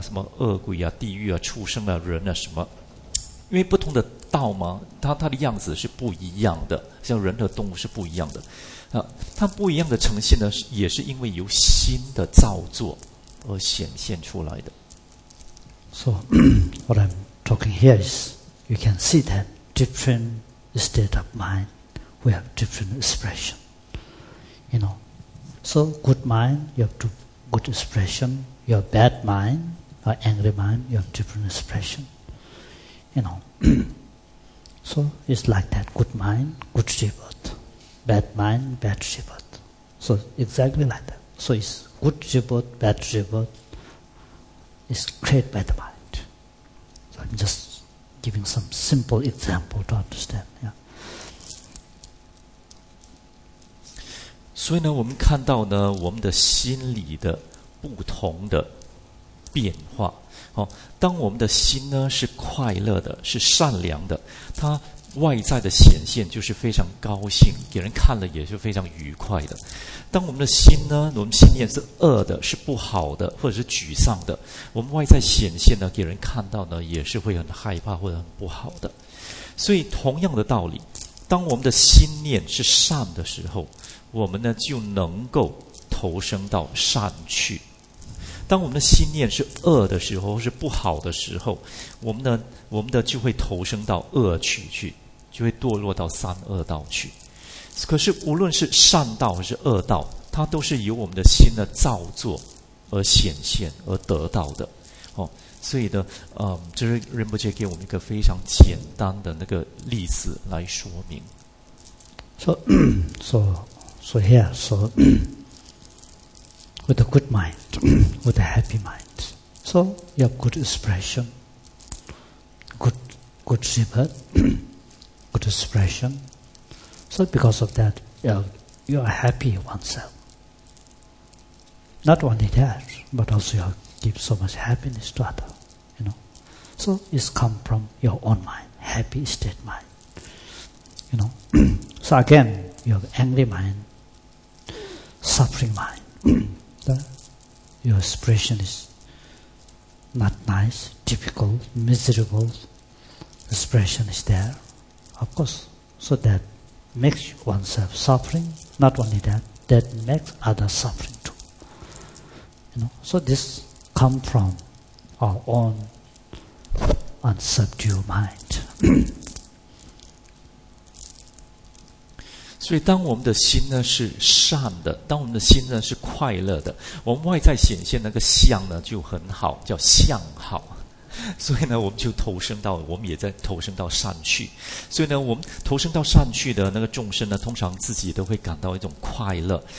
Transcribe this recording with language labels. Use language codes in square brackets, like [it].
[zh] 什么恶鬼啊、地狱啊、畜生啊、人啊什么？因为不同的道嘛，它的样子是不一样的，像人和动物是不一样的，啊，它不一样的呈现呢，也是因为由心的造作而显现出来的。 [en] So what I'm talking here is, you can see that different state of mind. We have different expression, you know. So good mind, you have good expression. Your bad mind, or angry mind, you have different expression, you know. So it's like that. Good mind, good jibbot. Bad mind, bad jibbot. So exactly like that. So it's good jibbot, bad jibbot. It's created by the mind. So I'm just giving some simple example to understand, yeah. [zh] 所以呢，我们看到呢，我们的心理的不同的变化。哦，当我们的心呢是快乐的，是善良的，它外在的显现就是非常高兴，给人看了也是非常愉快的。当我们的心呢，我们心念是恶的，是不好的，或者是沮丧的，我们外在显现呢，给人看到呢，也是会很害怕或者很不好的。所以，同样的道理，当我们的心念是善的时候，我们呢就能够投生到善去。当我们的心念是恶的时候，是不好的时候，我们呢就会投生到恶趣去，就会堕落到三恶道去。可是无论是善道还是恶道，它都是由我们的心的造作而显现而得到的。哦，所以呢，这是仁波切给我们一个非常简单的那个例子来说明。 [en] So here, so with a good mind, with a happy mind, so you have good expression, good zibbot, good expression. So because of that, you are happy oneself. Not only that, but also you give so much happiness to other, you know. So it's come from your own mind, happy state mind, you know. So again, you have angry mind,suffering mind, your expression is not nice, difficult, miserable, expression is there, of course, so that makes oneself suffering, not only that makes others suffering too. You know, so this comes from our own unsubdued mind. [zh] 所以当我们的心呢是善的，当我们的心呢是快乐的，我们外在显现那个相呢就很好，叫相好。所以呢，我们就投生到，我们也在投生到善去。所以呢，我们投生到善去的那个众生呢，通常自己都会感到一种快乐。